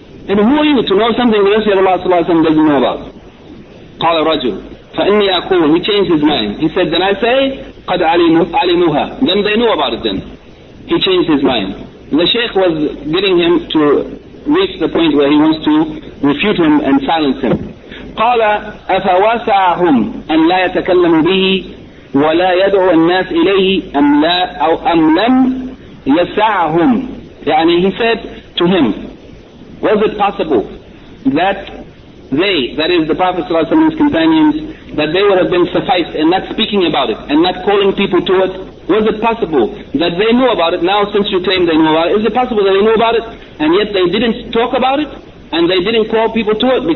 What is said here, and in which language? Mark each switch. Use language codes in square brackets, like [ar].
[en] And who are you to know something the Messenger of Allah sallallahu alayhi wa sallam doesn't know about? [ar] قال الرجل فإني أقول, [en] he changed his mind. He said, then I say, [ar] قد علموها. [en] Then they knew about it then. He changed his mind. The Shaykh was getting him to reach the point where he wants to refute him and silence him. [ar] قال أفواسعهم أن لا يتكلموا به ولا يدعو الناس إليه أم لا أو أم لم يسعهم. [en] يعني he said to him, was it possible that they, that is the Prophet صلى الله عليه وسلم, his companions, that they would have been sufficed in not speaking about it and not calling people to it? Was it possible that they knew about it? Now since you claim they knew about it, is it possible that they knew about it and yet they didn't talk about it and they didn't call people to it?